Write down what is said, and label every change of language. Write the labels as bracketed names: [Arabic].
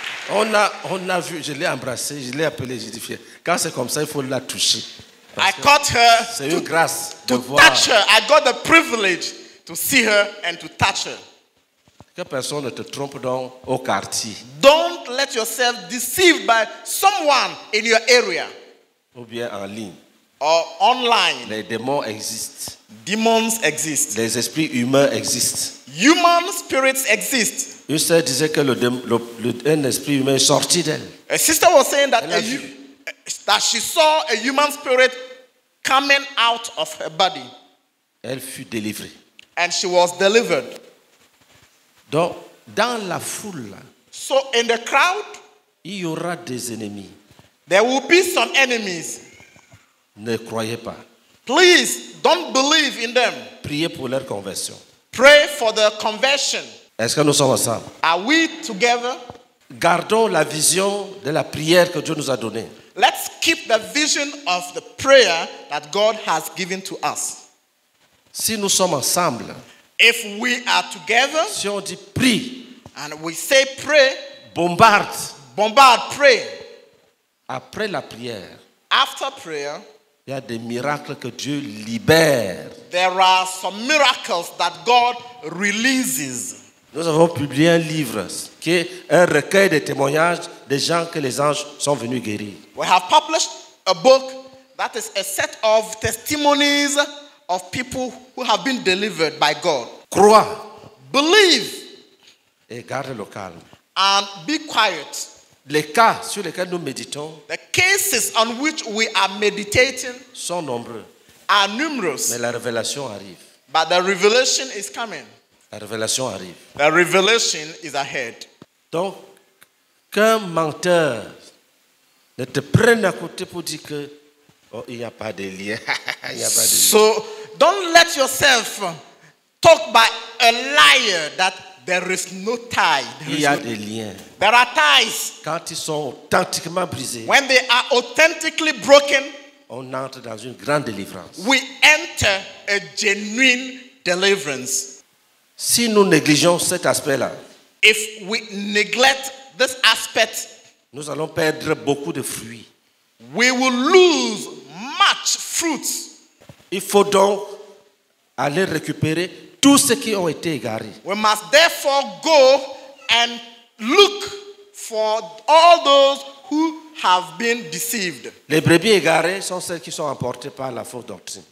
[French] On a vu, je l'ai embrassé, je l'ai appelé, j'ai dit, quand c'est comme ça, il faut la toucher. Parce [English] I caught her. [French] C'est une grâce [English] to [French] de voir. [English] Touch her. I got the privilege to see her and to touch her. [French] Que personne ne te trompe dans au quartier. [English] Don't let yourself deceived by someone in your area. [French] Ou bien en ligne. [English] Or online. [French] Les démons existent. [English] Demons exist. [French] Les esprits humains existent. [English] Human spirits exist. [French] Une sœur disait que un esprit humain est sorti d'elle. [English] A sister was saying that she saw a human spirit coming out of her body. [French] Elle fut délivrée. [English] And she was delivered. [French] Donc, dans la foule, [English] so in the crowd, [French] il y aura des ennemis. [English] There will be some enemies. [French] Ne croyez pas. [English] Please don't believe in them. [French] Priez pour leur conversion. [English] Pray for their conversion. [French] Est-ce que nous sommes ensemble? [English] Are we together? [French] Gardons la vision de la prière que Dieu nous a donnée. [English] Let's keep the vision of the prayer that God has given to us. [French] Si nous sommes ensemble, [English] if we are together, [French] si on dit prie, [English] and we say pray, [French] bombarde, [English] pray. [French] Après la prière, [English] after prayer, [French] il y a des miracles que Dieu libère. [English] There are some miracles that God releases. [French] Nous avons publié un livre qui est un recueil de témoignages des gens que les anges sont venus guérir. [English] We have published a book that is a set of testimonies of people who have been delivered by God. [French] Crois. [English] Believe. [French] Et garde le calme. [English] And be quiet. [French] Les cas sur lesquels nous méditons, [English] the cases on which we are meditating, [French] sont nombreux, [English] are numerous. [French] Mais la révélation arrive. [English] But the revelation is coming. [French] La révélation arrive. [English] The revelation is ahead. [French] Donc, qu'un menteur ne te prenne à côté pour dire que il n'y a pas de lien. [English] So, don't let yourself talk by a liar that there is no tie. [French] Il y a des liens. [English] There are ties. [French] Quand ils sont authentiquement brisés, [English] when they are authentically broken, [French] on entre dans une grande délivrance. [English] We enter a genuine deliverance. [French] Si nous négligeons cet aspect-là, [English] if we neglect this aspect, [French] nous allons perdre beaucoup de fruits. [English] We will lose much fruit. [French] Il faut donc aller récupérer tous ceux qui ont été égarés. [English] We must therefore go and look for all those who have been deceived. [French] Les brebis égarées sont celles qui sont emportées par la fausse doctrine.